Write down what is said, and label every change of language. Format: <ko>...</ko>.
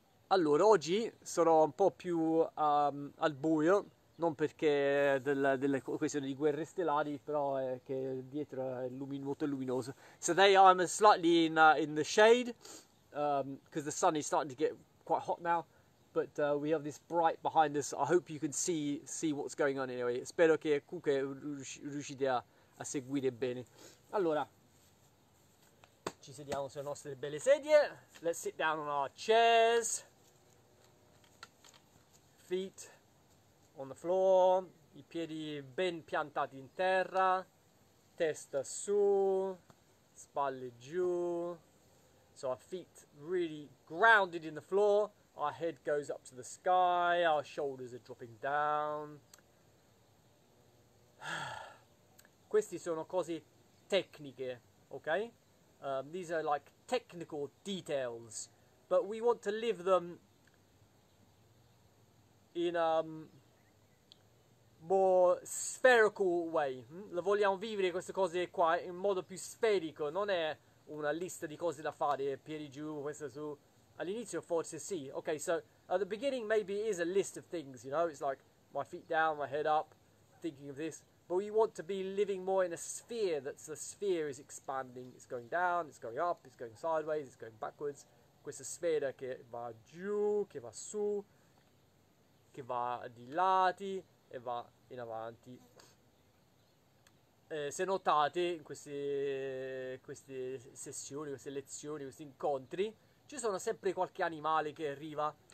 <it>Allora, oggi sarò un po' più al buio, non perché delle questioni di guerre stellari, però è che dietro è molto luminoso.</it> <en>So today I'm slightly in the shade because the sun is starting to get quite hot now, but we have this bright behind us. I hope you can see what's going on anyway.</en> <it>Spero che comunque riuscite a seguire bene. Allora, ci sediamo sulle nostre belle sedie.</it> <en>Let's sit down on our chairs. Feet on the floor.</en> <it>I piedi ben piantati in terra. Testa su. Spalle giù.</it> <en>So our feet really grounded in the floor. Our head goes up to the sky. Our shoulders are dropping down.</en> <it>Questi sono cose tecniche, ok?</it> <en>These are like technical details, but we want to live them in more spherical way.</en> <it>Le vogliamo vivere queste cose qua in modo più sferico, non è una lista di cose da fare, piedi giù, questa su. All'inizio forse sì.</it> <en>Ok, so at the beginning maybe it is a list of things, you know? It's like my feet down, my head up, thinking of this. But we want to be living more in a sphere that's the sphere is expanding. It's going down, it's going up, it's going sideways, it's going backwards.</en> <it>Questa sfera che va giù, che va su, che va di lati e va in avanti. Se notate in queste sessioni, queste lezioni, questi incontri, ci sono sempre qualche animale che arriva.</it>